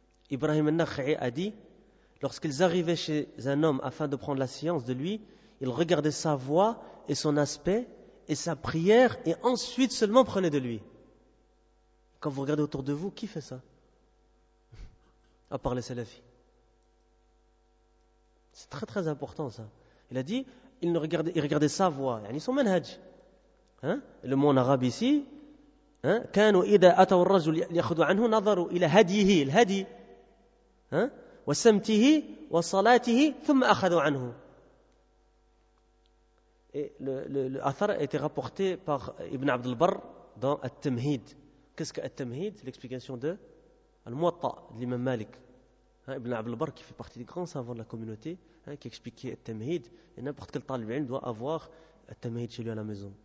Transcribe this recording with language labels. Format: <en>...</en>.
<fr>Ibrahim al-Nakhi'i a dit, lorsqu'ils arrivaient chez un homme afin de prendre la science de lui, ils regardaient sa voix et son aspect et sa prière et ensuite seulement prenaient de lui. Quand vous regardez autour de vous, qui fait ça? À part les salafis. C'est très très important ça. Il a dit, il regardait sa voix, yani son manhaj. Hein? Le mot en arabe ici,</fr> <ar>كانوا إذا أتوا الرجل ليأخذوا عنه نظروا إلى هديه الهدي وسمته وصلاته ثم أخذوا عنه.</ar> <fr>Le athar a été rapporté par Ibn Abd al-Barr dans At-Tamhid. Qu'est-ce que At-Tamhid? L'explication de Al-Muwatta de l'imam Malik. Ibn Abd al-Barr, qui fait partie des grands savants de la communauté, qui expliquait At-Tamhid, et n'importe quel talib ilm doit avoir At-Tamhid chez lui à la maison.</fr>